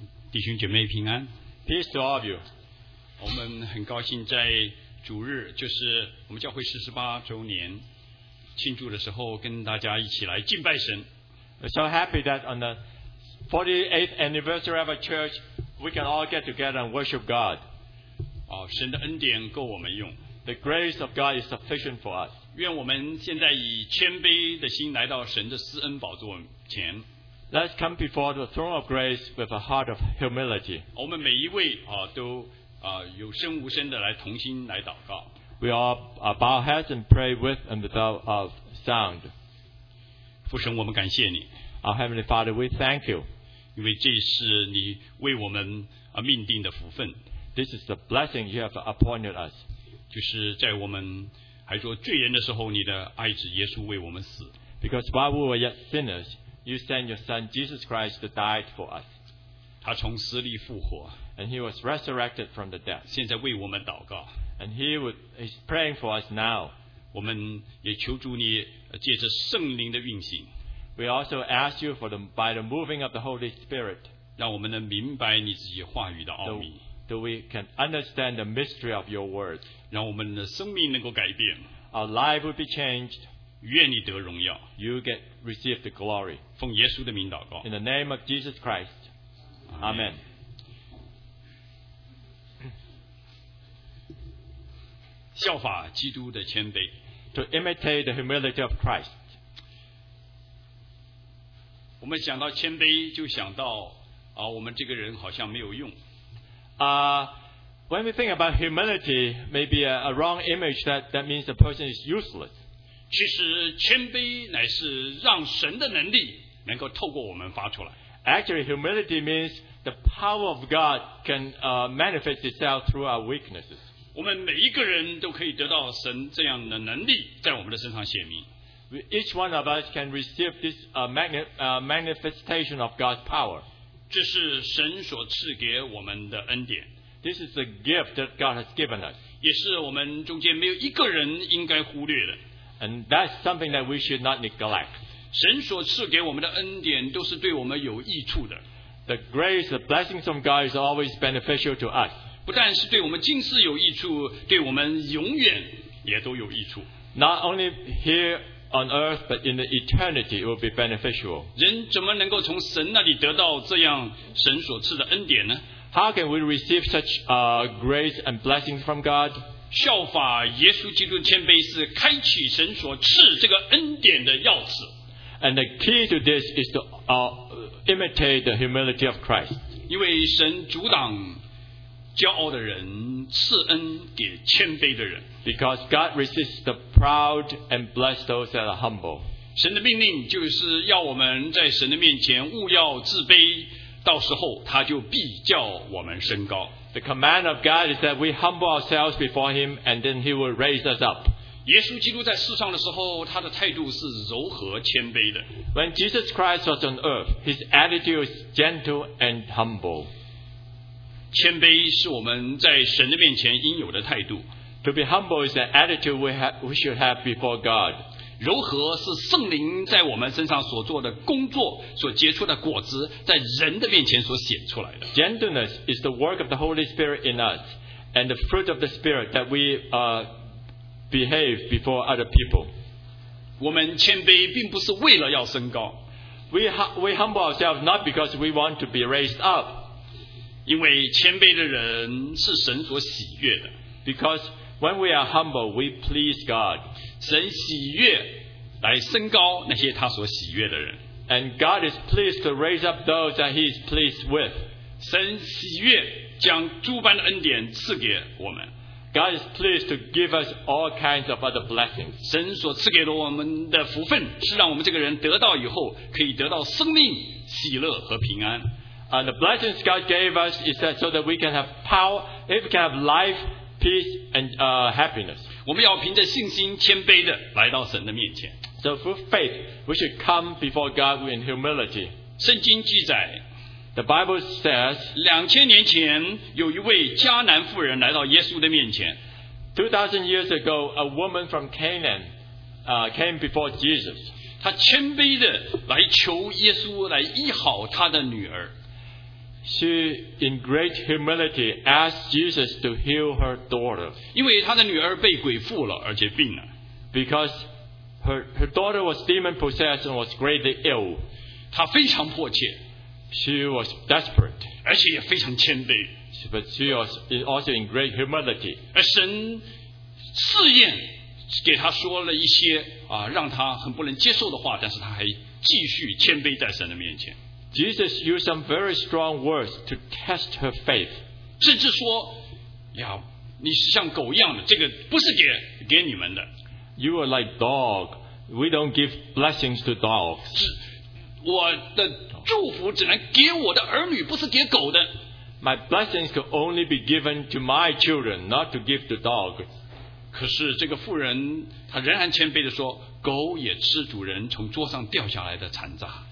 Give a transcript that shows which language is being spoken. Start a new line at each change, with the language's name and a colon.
Chinese: 弟兄姐妹平安
English: Peace to all of you
Chinese: 我们很高兴在主日就是我们教会48周年庆祝的时候跟大家一起来敬拜神
English: We're so happy that on the 48th anniversary of our church we can all get together and worship God
Chinese: 神的恩典够我们用
English: The grace of God is sufficient for us
Chinese: 愿我们现在以谦卑的心来到神的施恩宝座前
English: Let's come before the throne of grace with a heart of humility.
Chinese: 我们每一位都有声无声的来同心来祷告。
English: We all bow our heads and pray with and without of sound.
Chinese: 父神，我们感谢你。
English: Our heavenly Father, we thank you.
Chinese: 因为这是你为我们命定的福分。
English: This is the blessing you have appointed us.
Chinese: 就是在我们还做罪人的时候，你的爱子耶稣为我们死。
English: Because while we were yet sinners. You sent your son Jesus Christ to die for us.
Chinese: 他从死里复活
English: And he was resurrected from the dead.
Chinese: 现在为我们祷告
English: And he's praying for us now.
Chinese: 我们也求主你借着圣灵的运行
English: We also ask you for by the moving of the Holy Spirit.
Chinese: 让我们能明白你自己话语的奥秘
English: So we can understand the mystery of your words.
Chinese: 让我们的生命能够改变
English: Our life will be changed.
Chinese: 愿你得荣耀
English: You get received the glory
Chinese: 奉耶稣的名祷告
English: In the name of Jesus Christ Amen, Amen.
Chinese: 效法基督的谦卑
English: To imitate the humility of Christ
Chinese: 我们想到谦卑就想到我们这个人好像没有用
English: When we think about humility maybe a wrong image that means the person is useless
Chinese: 其实谦卑乃是让神的能力能够透过我们发出来
English: Actually, humility means the power of God can manifest itself through our weaknesses
Chinese: 我们每一个人都可以得到神这样的能力在我们的身上显明
English: Each one of us can receive this manifestation of God's power
Chinese: 这是神所赐给我们的恩典。
English: This is the gift that God has given us.
Chinese: 也是我们中间没有一个人应该忽略的。
English: And that's something that we should not neglect.
Chinese: 神所赐给我们的恩典都是对我们有益处的。
English: The grace, the blessings from God is always beneficial to us.
Chinese: 不但是对我们今世有益处，对我们永远也都有益处。
English: Not only here on earth, but in the eternity, it will be beneficial.
Chinese: 人怎么能够从神那里得到这样神所赐的恩典呢？
English: How can we receive such grace and blessings from God?
Chinese: 效法耶稣基督的谦卑是开启神所赐这个恩典的钥匙。
English: And the key to this is to imitate the humility of Christ.
Chinese: 因为神阻挡骄傲的人，赐恩给谦卑的人。
English: Because God resists the proud and blesses those that are humble.
Chinese: 神的命令就是要我们在神的面前勿要自卑。到时候他就必叫我们升高。
English: The command of God is that we humble ourselves before Him, and then He will raise us up.
Chinese: 耶稣基督在世上的时候，他的态度是柔和谦卑的。
English: When Jesus Christ was on earth, His attitude is gentle and humble.
Chinese: 谦卑是我们在神的面前应有的态度。
English: To be humble is an attitude we should have before God.
Chinese: 柔和是圣灵在我们身上所做的工作，所结出的果子，在人的面前所显出来的。
English: Gentleness is the work of the Holy Spirit in us, and the fruit of the Spirit that we behave before other people.
Chinese: 我们谦卑并不是为了要升高。
English: We humble ourselves not because we want to be raised up.
Chinese: 因为谦卑的人是神所喜悦的。
English: Because when we are humble, we please God.
Chinese: 神喜悦来升高那些他所喜悦的人。
English: And God is pleased to raise up those that He is pleased with.
Chinese: 神喜悦将诸般的恩典赐给我们。
English: God is pleased to give us all kinds of other blessings.
Chinese: 神所赐给了我们的福分是让我们这个人得到以后可以得到生命、喜乐和平安。
English: And the blessings God gave us is that so that we can have power, if we can have life,Peace and happiness.
Chinese: 我们要凭着信心谦卑的来到神的面前。
English: So through faith, we should come before God in humility.
Chinese: 圣经记载
English: ，The Bible says,
Chinese: 2000年前有一位迦南妇人来到耶稣的面前。
English: 2000 years ago, a woman from Canaan, came before Jesus.
Chinese: 她谦卑的来求耶稣来医好她的女儿。
English: She, in great humility, asked Jesus to heal her daughter.
Chinese: 因为她的女儿被鬼附了，而且病了。
English: Because her daughter was demon possessed and was greatly ill.
Chinese: 她非常迫切。
English: She was desperate.
Chinese: 而且也非常谦卑。
English: But she was also in great humility.
Chinese: 而神试验给她说了一些让她很不能接受的话，但是她还继续谦卑在神的面前。
English: Jesus used some very strong words to test her faith.
Chinese: 甚至说，呀，你是像狗一样的，这个不是给你们的。
English: You are like dog. We don't give blessings to dogs.
Chinese: 我的祝福只能给我的儿女，不是给狗的。
English: My blessings could only be given to my children, not to give to dogs.
Chinese: 可是这个妇人，她仍然谦卑地说，狗也吃主人从桌上掉下来的残渣。